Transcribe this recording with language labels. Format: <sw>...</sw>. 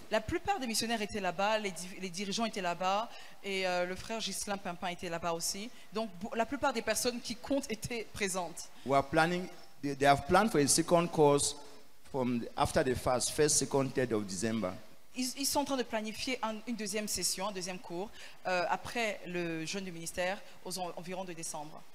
<fr>La plupart des missionnaires étaient là-bas, les dirigeants étaient là-bas, et le frère Ghislain Pimpin était là-bas aussi. Donc la plupart des personnes qui comptent étaient présentes.</fr> <en>We are planning, they have planned for a second course from after the fast, first, second, third of December.</en> <fr>Ils sont en train de planifier une deuxième session, un deuxième cours, après le jeûne du ministère, aux environs de décembre.</fr>